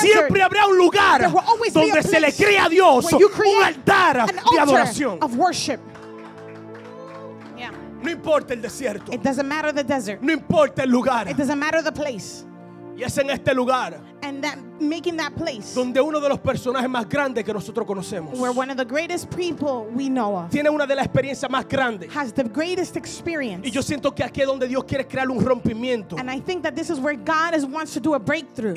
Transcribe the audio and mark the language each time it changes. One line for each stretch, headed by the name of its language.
Spanish: siempre habrá un lugar donde se le crea a Dios un altar de adoración.
English: Of worship.
Spanish: No importa el desierto.
English: It doesn't matter the desert.
Spanish: No importa el lugar.
English: It doesn't matter the place.
Spanish: Y es en este lugar.
English: And that, making that place.
Spanish: Donde uno de los personajes más grandes que nosotros conocemos.
English: Where one of the greatest people we know of.
Spanish: Tiene una de las experiencias más grandes.
English: Has the greatest experience.
Spanish: Y yo siento que aquí es donde Dios quiere crear un rompimiento.
English: And I think that this is where God is, wants to do a breakthrough.